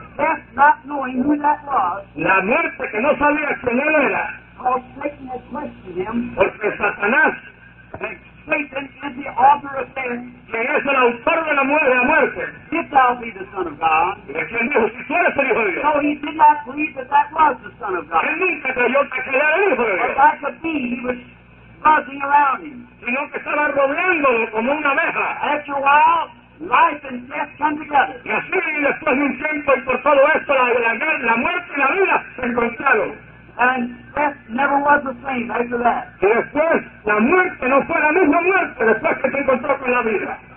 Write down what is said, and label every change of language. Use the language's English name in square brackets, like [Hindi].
[English] death not knowing who that was, [Spanish] la muerte que no sabía quién él era, [English] Satan had questioned him, [Spanish] porque Satanás, [English] Satan is the author of sin, [Spanish] que es el autor de la muerte, [English] if thou be the son of God, [Spanish] y es quien dijo, si tú eres el hijo de Dios, [English] so he did not believe that that was the son of God. [Spanish] Él nunca creyó que aquel era el hijo de Dios. [English] But like a bee, he was buzzing around him. [Spanish] Sino que estaba rodeándolo como una abeja. [English] After a while, life and death come together. [Spanish] Y así, después de un tiempo, y por todo esto, la muerte y la vida se encontraron. [English] And death never was the same after that. [Spanish] Y después, la muerte no fue la misma muerte después que se encontró con la vida.